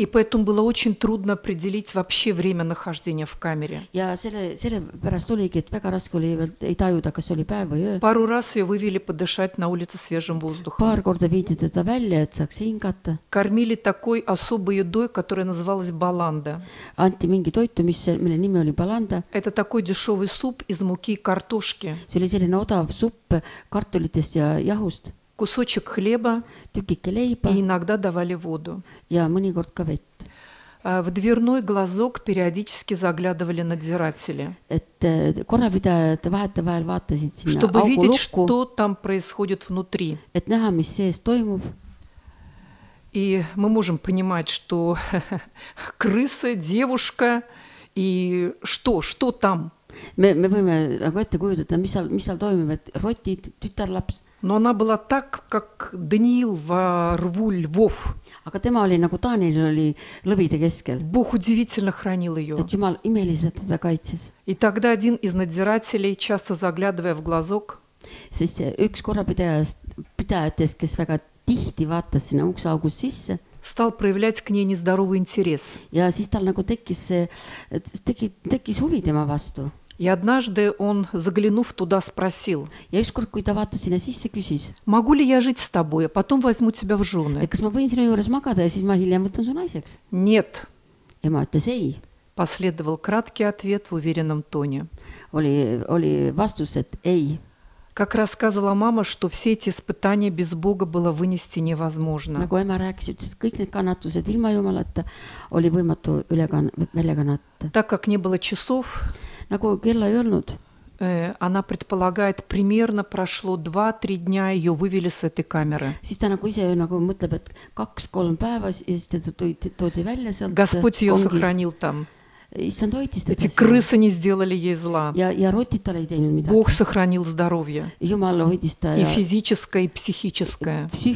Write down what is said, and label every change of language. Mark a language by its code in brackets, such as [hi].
[ru] И поэтому было очень трудно определить вообще время нахождения в камере. [et] Ja selle pärast oligi, et väga raske oli ei tajuda, kas oli päev või öö. [ru] Пару раз ее вывели подышать на улице свежим воздухом. [et] Paar korda viidi teda välja, et saaks hingata. [ru] Кормили такой особой едой, которая называлась баланда. [et] Anti mingi toitu, mille nimi oli баланда. [ru] Это такой дешевый суп из муки картошки. [et] See oli selline odav supp kartulitest ja jahust. [ru] Кусочек хлеба. [et] Tükike leiba. [ru] И иногда давали воду. [et] Ja mõnikord ka vett. [ru] В дверной глазок периодически заглядывали надзиратели. [et] Et korrapidajad vahetevahel vaatasid sinna augu lukku. [ru] Чтобы видеть, что там происходит внутри. [et] Et näha, mis sees toimub. [ru] И мы можем понимать, что крыса, девушка и что там? [et] Me võime nagu ette kujutada, mis seal toimub, et rotid, tütarlaps. [ru] Но она была так, как Даниил во рву львов. [et] Aga tema oli nagu Daniel oli lõvide keskel. [ru] Бог удивительно хранил ее. [et] Et Jumal imeliselt teda kaitses. [ru] И тогда один из надзирателей, часто заглядывая в глазок. [et] Sest üks korrapidajatest, kes väga tihti vaatas sinna ukse august sisse. [ru] Стал проявлять к ней нездоровый интерес. [et] Ja siis tal nagu tekkis huvi tema vastu. [ru] И однажды он, заглянув туда, спросил: [et] ja ükskord, kui ta vaatas sinna sisse, küsis, [ru] могу ли я жить с тобой, а потом возьму тебя в жены? [et] Et, kas ma võin sinu juures magada, ja siis ma hiljem võtan su naiseks? [ru] Нет. [et] Ema ütles, ei. [ru] Последовал краткий ответ в уверенном тоне. [et] Oli vastus, et ei. [ru] Как рассказывала мама, что все эти испытания без Бога было вынести невозможно. [et] Nagu ema rääkis, ütles, kõik need kannatused ilma Jumalata oli võimatu välja kannata. [ru] Так как не было часов, [et] nagu kella ei olnud, [ru] она предполагает, примерно прошло 2-3 дня, ее вывели с этой камеры. [et] Siis ta nagu ise nagu mõtleb, et 2-3 päeva, siis teda toodi välja sealt. [ru] Господь ее сохранил там. Эти крысы не сделали ей зла. Бог сохранил здоровье. И физическое, и психическое.